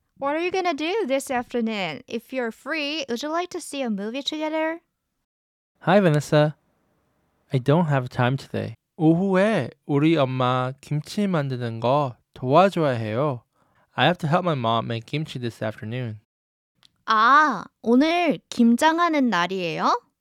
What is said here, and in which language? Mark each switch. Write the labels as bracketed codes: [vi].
[en] What are you going to do this afternoon? If you're free, would you like to see a movie together? Hi, Vanessa. I don't have time today. [ko] 오후에 우리 엄마 김치 만드는 거 도와줘야 해요. [en] I have to help my mom make kimchi this afternoon. [ko] 아, 오늘 김장하는 날이에요?